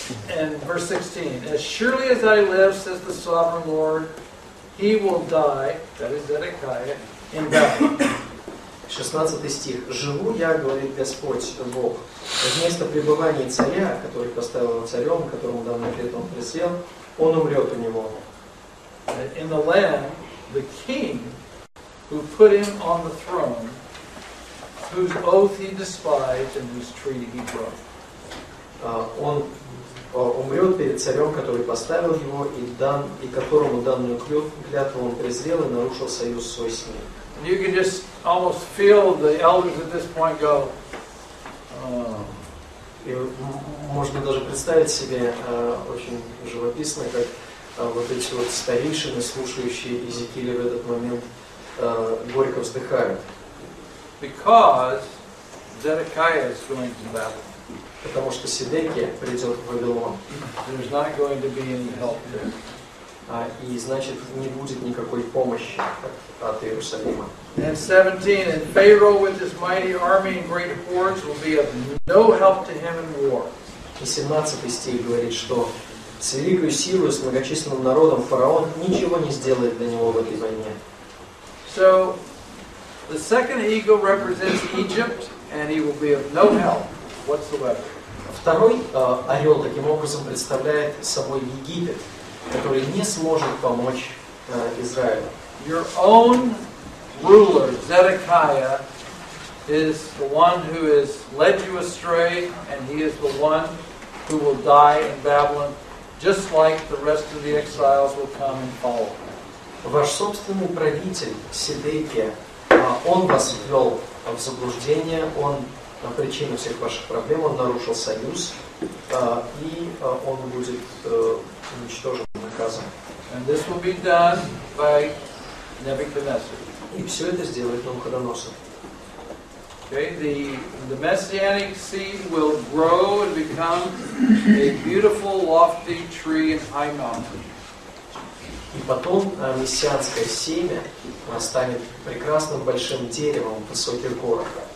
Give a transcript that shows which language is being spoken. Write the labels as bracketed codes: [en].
[en] And verse 16, as surely as I live, says the sovereign Lord, he will die, that is Zedekiah, in Babylon. [ru] 16 стих. Живу я, говорит Господь Бог, вместо пребывания царя, который поставил царем, которому данный ответ он присел, он умрет у него. [en] In the land, the king who put him on the throne, whose oath he despised and whose treaty he broke. [ru] Он умрет перед царем, который поставил его, и которому данную клятву он презрел и нарушил союз свой с ним. [en] And you can just almost feel the elders at this point go, [ru] И можно даже представить себе очень живописно, как вот эти вот старейшины, слушающие Иезекииля в этот момент, горько вздыхают. [en] Because Zedekiah is going to battle. [ru] Потому что Сидекия придет в Вавилон. [en] There's not going to be any help there. [ru] И значит, не будет никакой помощи от Иерусалима. [en] And 17, and Pharaoh with his mighty army and great hordes will be of no help to him in war. [ru] И 17 стих говорит, что с великой силой, с многочисленным народом фараон ничего не сделает для него в этой войне. [en] So, the second eagle represents Egypt, and he will be of no help whatsoever. [ru] Второй орел таким образом представляет собой Египет, который не сможет помочь Израилю. [en] Your own ruler, Zedekiah, is the one who has led you astray, and he is the one who will die in Babylon. Just like the rest of the exiles will come and follow. [ru] Ваш собственный правитель Сидекия, он вас ввел в заблуждение, он причина всех ваших проблем, он нарушил союз, и он будет уничтожен, наказан. [en] And this will be done by Nebuchadnezzar. [ru] И все это сделает Навуходоносор. [en] Okay, the messianic seed will grow and become a beautiful, lofty tree in high mountain. [ru] И потом мессианское семя станет прекрасным большим деревом в высоких горах.